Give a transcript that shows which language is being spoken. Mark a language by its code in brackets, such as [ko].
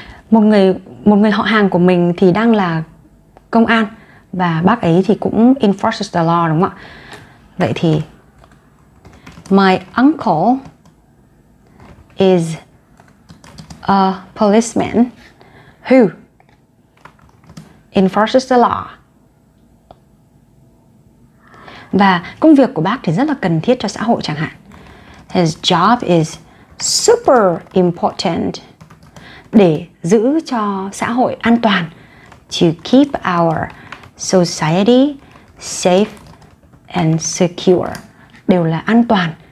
[vi] Một người họ hàng của mình thì đang là công an và bác ấy thì cũng [en] enforces the law [vi] đúng không ạ? Vậy thì [en] my uncle is a policeman who enforces the law. [vi] Và công việc của bác thì rất là cần thiết cho xã hội chẳng hạn. [en] His job is super important [vi] để giữ cho xã hội an toàn. [en] To keep our society safe and secure. [vi] Đều là an toàn.